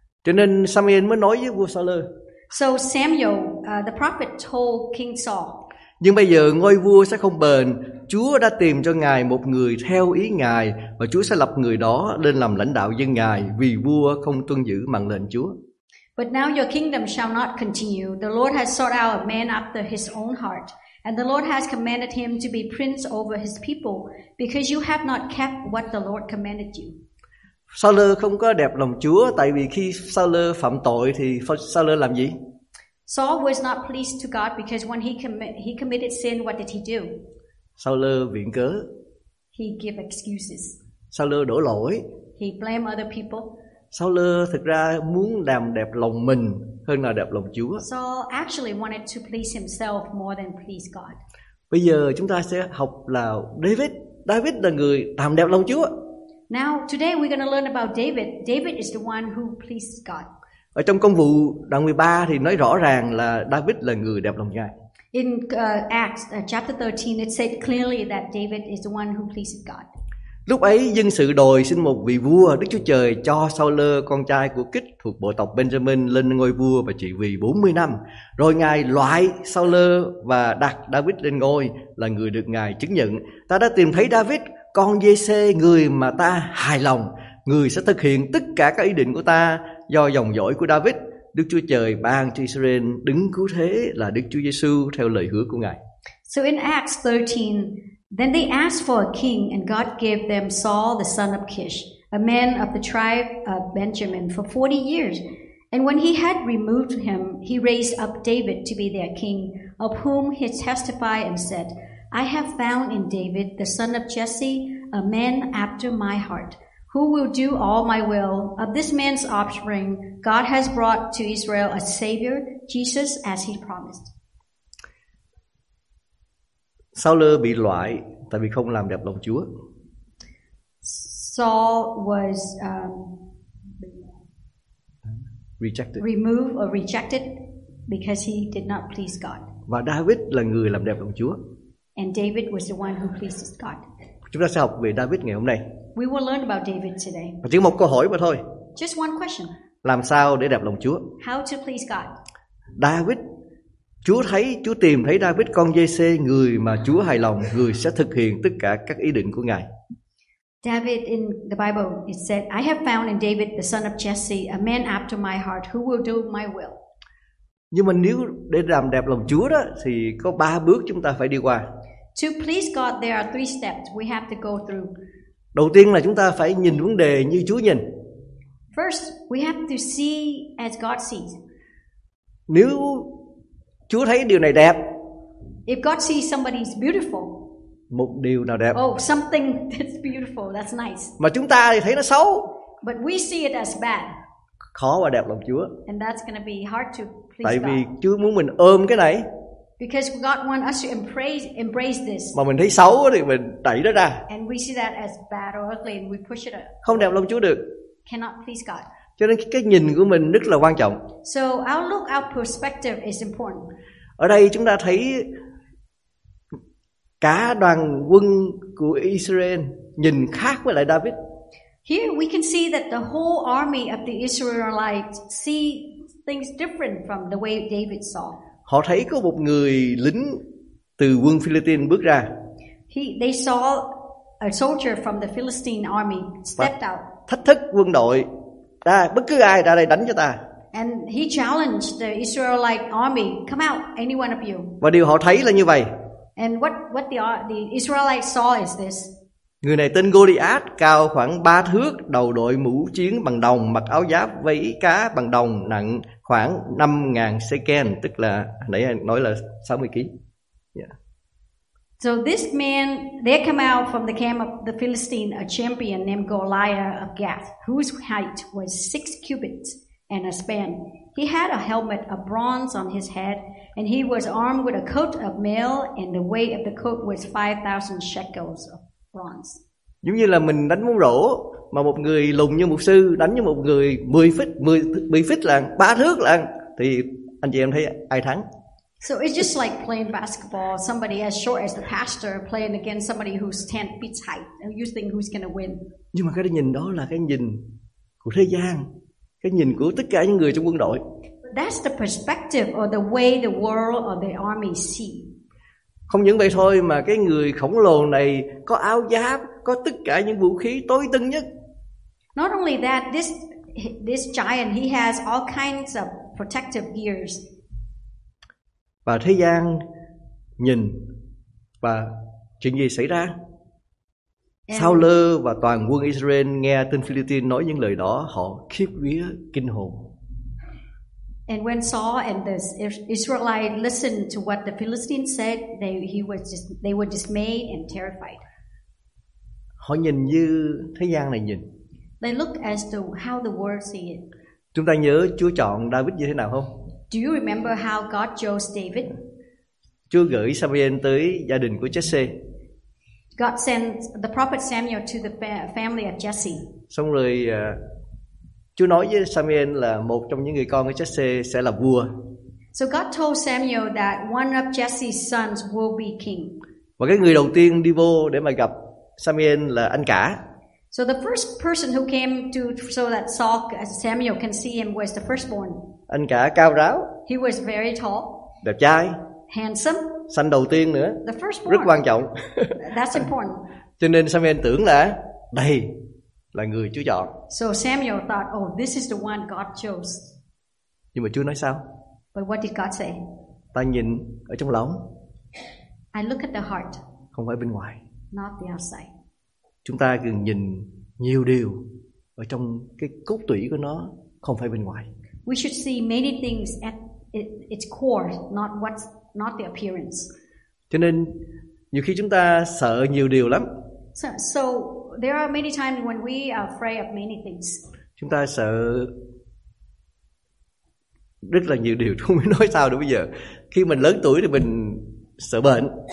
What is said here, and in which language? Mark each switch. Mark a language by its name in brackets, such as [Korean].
[Vietnamese] Cho nên Samuel mới nói với vua Saul. [English] So Samuel, the prophet told King Saul. [Vietnamese] Nhưng bây giờ ngôi vua sẽ không bền. Chúa đã tìm cho Ngài một người theo ý Ngài và Chúa sẽ lập người đó lên làm lãnh đạo dân Ngài vì vua không tuân giữ mạng lệnh Chúa. [English] But now your kingdom shall not continue. The Lord has sought out a man after his own heart, and the Lord has commanded him to be prince over his people, because you have not kept what the Lord commanded you. [Vietnamese] Sa-lơ không có đẹp lòng Chúa, tại vì khi Sa-lơ phạm tội thì Sa-lơ làm gì? [English] Saul was not pleased to God because when he committed sin, what did he do? [Vietnamese] Sa-lơ viện cớ. [English] He gave excuses. [Vietnamese] Sa-lơ đổ lỗi. [English] He blamed other people. [Vietnamese] Sa-lơ thực ra muốn làm đẹp lòng mình hơn là đẹp lòng Chúa. [English] Saul actually wanted to please himself more than please God. [Vietnamese] Bây giờ chúng ta sẽ học là David. David là người làm đẹp lòng Chúa. [English] Now today we're going to learn about David. David is the one who pleases God. [Vietnamese] Ở trong công vụ đoạn 13 thì nói rõ ràng là David là người đẹp lòng Ngài. [English] In Acts chapter 13 it said clearly that David is the one who pleases God. [Vietnamese] Lúc ấy dân sự đòi xin một vị vua, Đức Chúa Trời cho Saul con trai của Kích thuộc bộ tộc Benjamin lên ngôi vua và trị vì 40 năm. Rồi Ngài loại Saul và đặt David lên ngôi là người được Ngài chứng nhận. Ta đã tìm thấy David con Giê-xê, người mà ta hài lòng, người sẽ thực hiện tất cả các ý định của ta do dòng dõi của David. Đức Chúa Trời ban cho Israel đứng cứu thế là Đức Chúa Giê-xu theo lời hứa của Ngài. [English] So in Acts 13, then they asked for a king, and God gave them Saul, the son of Kish, a man of the tribe of Benjamin, for 40 years. And when he had removed him, he raised up David to be their king, of whom he testified and said, I have found in David, the son of Jesse, a man after my heart, who will do all my will. Of this man's offspring, God has brought to Israel a Savior, Jesus, as he promised. [Vietnamese] Saul bị loại tại vì không làm đẹp lòng Chúa. [English] Saul was rejected. Removed or rejected because he did not please God. [Vietnamese] Và David là người làm đẹp lòng Chúa. [English] And David was the one who pleases God. [Vietnamese] Chúng ta sẽ học về David ngày hôm nay. [English] We will learn about David today. [Vietnamese] Chỉ một câu hỏi mà thôi. [English] Just one question. [Vietnamese] Làm sao để đẹp lòng Chúa? [English] How to please God? [Vietnamese] David, Chúa thấy, Chúa tìm thấy David con Giê-xê, người mà Chúa hài lòng, người sẽ thực hiện tất cả các ý định của Ngài. [English] David in the Bible it said, I have found in David the son of Jesse, a man after my heart who will do my will. [Vietnamese] Nhưng mà nếu để làm đẹp lòng Chúa đó thì có 3 bước chúng ta phải đi qua. [English] To please God, there are 3 steps we have to go through. [Vietnamese] Đầu tiên là chúng ta phải nhìn vấn đề như Chúa nhìn. [English] First, we have to see as God sees. [Vietnamese] Nếu Chúa thấy điều này đẹp. [English] If God sees somebody is beautiful. [Vietnamese] Một điều nào đẹp. [English] Oh, something that's beautiful, that's nice. [Vietnamese] Mà chúng ta thì thấy nó xấu. [English] But we see it as bad. [Vietnamese] Khó và đẹp lòng Chúa. [English] And that's going to be hard to please [Vietnamese] Tại [English] God. [Vietnamese] Vì Chúa muốn mình ôm cái này. [English] Because God wants us to embrace this. [Vietnamese] Mà mình thấy xấu thì mình đẩy nó ra. [English] And we see that as bad or ugly and we push it up. [Vietnamese] Không đẹp lòng Chúa được. [English] Cannot please God. [Vietnamese] Cho nên cái nhìn của mình rất là quan trọng. [English] So our look, our perspective is important. [Vietnamese] Ở đây chúng ta thấy cả đoàn quân của Israel nhìn khác với lại David. [English] Here we can see that the whole army of the Israelites see things different from the way David saw. [Vietnamese] Họ thấy có một người lính từ quân Philippines bước ra. [English] They saw a soldier from the Philistine army stepped out. [Vietnamese] Thách thức quân đội. Ra, bất cứ ai ra đây đánh cho ta. [English] And he challenged the Israelite army, come out, any one of you. [Vietnamese] Và điều họ thấy là như vậy. [English] And what the Israelites saw is this. [Vietnamese] Người này tên Goliath, cao khoảng 3 thước, đầu đội mũ chiến bằng đồng, mặc áo giáp vây cá bằng đồng, nặng khoảng 5.000 shekel, tức là nãy nói là 60 ký. [English] Yeah. So this man, they come out from the camp of the Philistine, a champion named Goliath of Gath, whose height was 6 cubits and a span. He had a helmet of bronze on his head, and he was armed with a coat of mail, and the weight of the coat was 5,000 shekels of bronze. [Vietnamese] Giống như là mình đánh bóng rổ, mà một người lùn như mục sư đánh như một người 10 feet là 3 thước là, thì anh chị em thấy ai thắng? [English] So it's just like playing basketball, somebody as short as the pastor playing against somebody who's 10 feet height, and you think who's going to win. [Vietnamese] Nhưng mà cái nhìn đó là cái nhìn của thế gian, cái nhìn của tất cả những người trong quân đội. [English] That's the perspective or the way the world or the army see. [Vietnamese] Không những vậy thôi mà cái người khổng lồ này có áo giáp, có tất cả những vũ khí tối tân nhất. [English] Not only that, this this giant, he has all kinds of protective gears. [Vietnamese] Và thế gian nhìn và chuyện gì xảy ra? Saul và toàn quân Israel nghe tên Philistine nói những lời đó, họ khiếp vía kinh hồn. [English] And when Saul and the Israelite listened to what the Philistine said, they were dismayed and terrified. [Vietnamese] Họ nhìn như thế gian này nhìn. [English] They look as to how the world see it. [Vietnamese] Chúng ta nhớ Chúa chọn David như thế nào không? [English] Do you remember how God chose David? [Vietnamese] Chúa gửi Samuel tới gia đình của Jesse. [English] God sent the prophet Samuel to the family of Jesse. [Vietnamese] Xong rồi Chúa nói với Samuel là một trong những người con của Jesse sẽ là vua. [English] So God told Samuel that one of Jesse's sons will be king. [Vietnamese] Và cái người đầu tiên đi vô để mà gặp Samuel là anh cả. [English] So the first person who came to so that Samuel can see him was the firstborn. [Vietnamese] Anh cả cao ráo. [English] He was very tall. [Vietnamese] Đẹp trai. [English] Handsome. [Vietnamese] Sanh đầu tiên nữa. [English] The firstborn. [Vietnamese] Rất quan trọng. [English] That's important. [Vietnamese] Cho nên Samuel tưởng là đây là người Chúa chọn. [English] So Samuel thought, oh, this is the one God chose. [Vietnamese] Nhưng mà Chúa nói sao? [English] But what did God say? [Vietnamese] Ta nhìn ở trong lòng. [English] I look at the heart. [Vietnamese] Không phải bên ngoài. [English] Not the outside. [Vietnamese] Chúng ta cần nhìn nhiều điều ở trong cái cốt tủy của nó, không phải bên ngoài. [English] We should see many things at its core, not the appearance. [Vietnamese] Cho nên nhiều khi chúng ta sợ nhiều điều lắm. [English] So there are many times when we are afraid of many things. [Vietnamese] Chúng ta sợ rất là nhiều điều, không biết nói sao được bây giờ. Khi mình lớn tuổi thì mình sợ bệnh.